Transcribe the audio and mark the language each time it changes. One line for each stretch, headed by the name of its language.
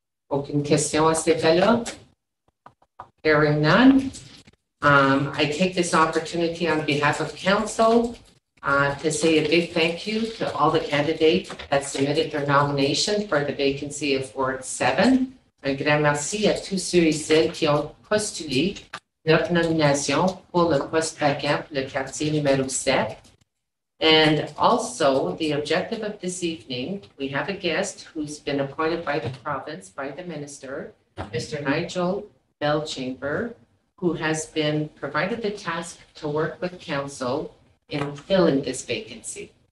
English: Open question, Mr. Bell? Hearing none, I take this opportunity on behalf of council to say a big thank you to all the candidates that submitted their nomination for the vacancy of Ward 7.
French: Un grand merci à tous ceux et celles qui ont postulé leur nomination pour le poste vacant pour le quartier numéro 7.
English: And also, the objective of this evening, we have a guest who's been appointed by the province, by the minister, Mr. Nigel Bell Chamber, who has been provided the task to work with council in filling this vacancy.